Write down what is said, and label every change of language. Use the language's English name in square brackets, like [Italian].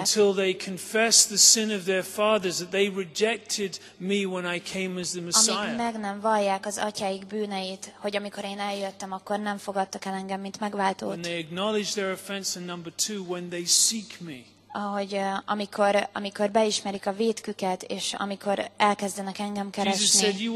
[English] Until they confess the sin of their fathers that they rejected me when I came as the Messiah. [Hungarian] Amíg meg nem vallják az atyáik bűneit, hogy amikor én eljöttem, akkor nem fogadtak el engem, mint megváltót. [English] When they acknowledge their offense, and number two, when they seek me. [Hungarian] Ahogy amikor beismerik a vétküket, és amikor elkezdenek engem keresni.